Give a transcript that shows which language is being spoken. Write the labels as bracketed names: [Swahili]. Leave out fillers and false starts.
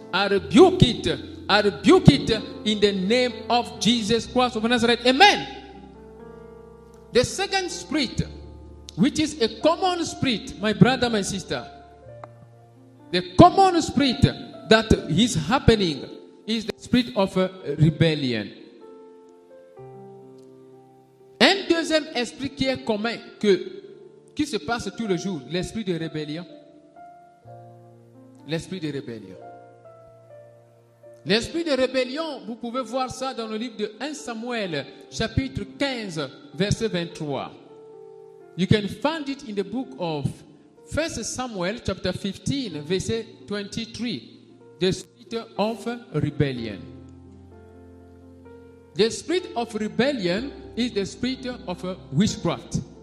[English] I rebuke it. I rebuke it in the name of Jesus Christ of Nazareth. Amen. The second spirit, which is a common spirit, my brother, my sister, the common spirit that is happening is the spirit of rebellion. [French] Un deuxième esprit qui est commun, qui se passe tout le jour, l'esprit de rébellion. L'esprit de rébellion. L'esprit de rébellion, vous pouvez voir ça dans le livre de 1 Samuel, chapitre 15, verset 23. [English] You can find it in the book of 1 Samuel, chapter 15, verset 23. The spirit of rebellion. The spirit of rebellion is the spirit of witchcraft.